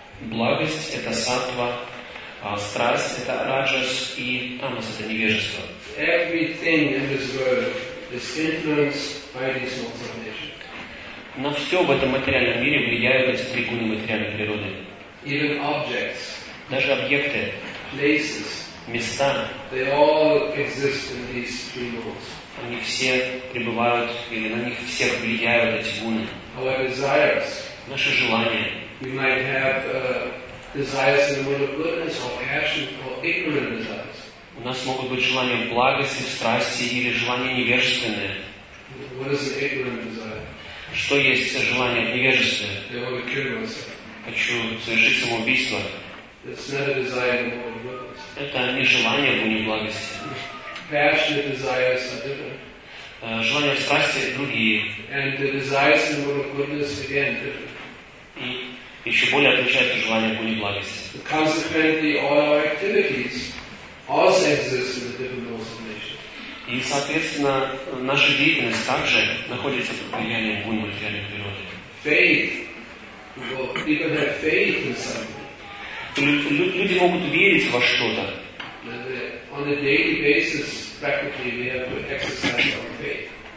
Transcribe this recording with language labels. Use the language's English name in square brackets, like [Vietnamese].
[Russian] Благость — это саттва, страсть — это раджас, и тамас — это невежество. [English] Everything in this world is influenced by these modes of nature. [Russian] На все в этом материальном мире влияют эти три гуны материальной природы. [English] Even objects, [Russian] даже объекты, [English] places, [Russian] места, [English] they all exist in these three modes. [Russian] Они все пребывают, или на них всех влияют эти гуны. [English] Our desires. [Russian] Наши желания. [English] We might have desires in the mood of goodness, or passion, or ignorant desires. [Russian] У нас могут быть желания благости, страсти, или желания невежественные. [English] What is an ignorant desire? [Russian] Что есть желание в невежестве? [English] I want to kill myself. [Russian] Хочу совершить самоубийство. [English] It's not a desire in the mood of goodness. [Russian] Это не желание в гуне благости. [English] Passionate desires are different. [Russian] Желания в страсти другие. [English] And the desires in the mood of goodness again different. [Russian] И еще более отличаются желания в гуне благости. [English] Consequently, all our activities also exist in the different modes of nature. [Russian] И соответственно, наша деятельность также находится под влиянием гуны материальной природы. [English] Faith. Well, people have faith in something. [Russian] Люди могут верить во что-то. [English] On a daily basis, practically, we have to exercise our faith.